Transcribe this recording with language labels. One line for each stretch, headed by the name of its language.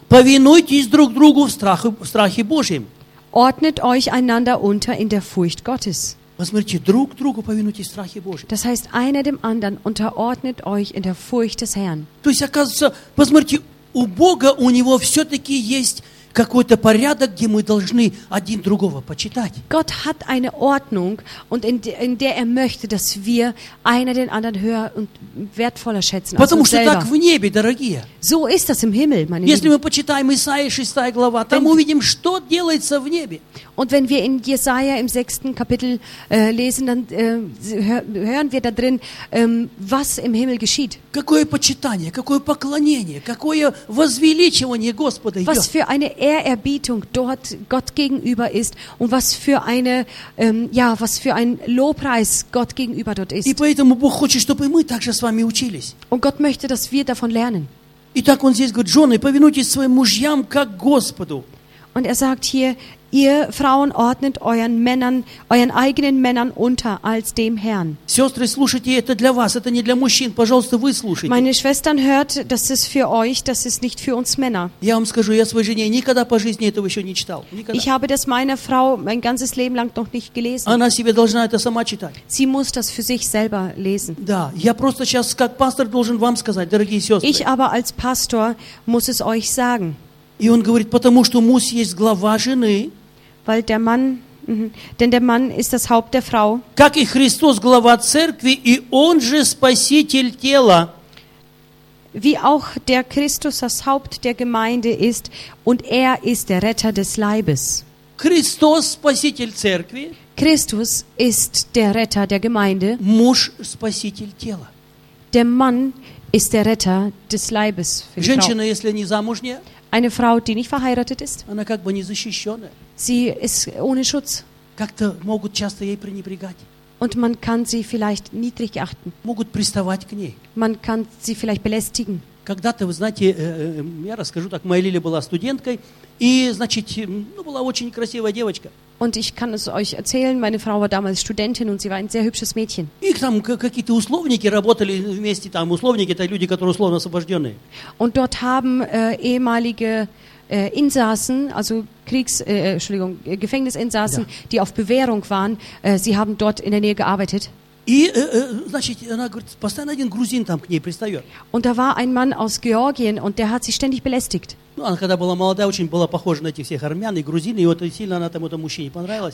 Russian: Повинуйтесь друг другу в страхе Божьем.
German: Ordnet euch einander unter in der Furcht Gottes.
Russian: Посмотрите, друг другу повинуйтесь страхе Божьем.
German: Das heißt, einer dem anderen unterordnet euch in der Furcht des Herrn.
Russian: То есть, оказывается, посмотрите, у Бога, у него все-таки есть какой-то порядок, где мы должны один другого почитать.
German: Gott hat eine Ordnung und in der er möchte, dass wir einer den anderen höher und wertvoller schätzen als
Russian: Потому что так в небе, дорогие.
German: So ist das im Himmel, meine Lieben.
Russian: Если мы почитаем Исаия 6 глава, там увидим, что делается в небе.
German: Und wenn wir in Jesaja im 6. Kapitel lesen, dann hören wir da drin, was im Himmel geschieht.
Russian: Какое почитание, какое поклонение, какое возвеличивание Господа.
German: Was für eine Ehrerbietung dort Gott gegenüber ist und was für eine was für ein Lobpreis Gott gegenüber dort ist.
Russian: И поэтому Бог хочет, чтобы мы также с вами учились.
German: Und Gott möchte, dass wir davon lernen.
Russian: Итак, он здесь говорит: «Жены, повинуйтесь своим мужьям, как Господу».
German: Und er sagt hier: Ihr Frauen ordnet euren Männern, euren eigenen Männern unter als dem Herrn.
Russian: Сестры, слушайте, это для вас, это не для мужчин. Пожалуйста, вы слушайте.
German: Meine Schwestern hört, das ist für euch, das ist nicht für uns Männer.
Russian: Я вам скажу, я своей жене никогда по жизни этого еще не читал. Никогда.
German: Ich habe das meiner Frau mein ganzes Leben lang noch nicht gelesen.
Russian: Она себе должна это сама читать.
German: Sie muss das für sich selber lesen.
Russian: Да, я просто сейчас как пастор должен вам сказать, дорогие сестры.
German: Ich aber als Pastor muss es euch sagen.
Russian: И он говорит, потому что муж есть глава жены.
German: Weil der Mann, denn der Mann ist das Haupt der Frau.
Russian: Как и Христос глава церкви, и он же спаситель тела.
German: Wie auch der Christus das Haupt der Gemeinde ist und er ist der Retter des Leibes.
Russian: Христос спаситель церкви.
German: Christus ist der Retter der Gemeinde.
Russian: Муж спаситель тела.
German: Der Mann ist der Retter des Leibes für die Женщина, Frau.
Russian: Если не замужняя,
German: Eine Frau, die nicht verheiratet ist.
Russian: Она как бы не защищенная.
German: Sie ist ohne Schutz.
Russian: Как-то могут часто ей пренебрегать.
German: Und man kann sie vielleicht niedrig achten.
Russian: Могут приставать к ней.
German: Man kann sie vielleicht belästigen.
Russian: Когда-то, вы знаете, я расскажу так, моя Лиля была студенткой, и, значит, была очень красивая девочка.
German: Und ich kann es euch erzählen, meine Frau war damals Studentin und sie war ein sehr hübsches Mädchen.
Russian: Их там какие-то условники работали вместе, там условники, это люди, которые условно освобожденные.
German: Und dort haben ehemalige Insassen, also Gefängnisinsassen, ja. die auf Bewährung waren, sie haben dort in der Nähe gearbeitet.
Russian: И, значит, она говорит, постоянно один грузин там к ней пристает.
German: Und da war ein Mann aus Georgien und der hat sie ständig belästigt.
Russian: Ну, она когда была молодая, очень была похожа на этих всех армян и грузин, и вот сильно она там этому мужчине понравилась.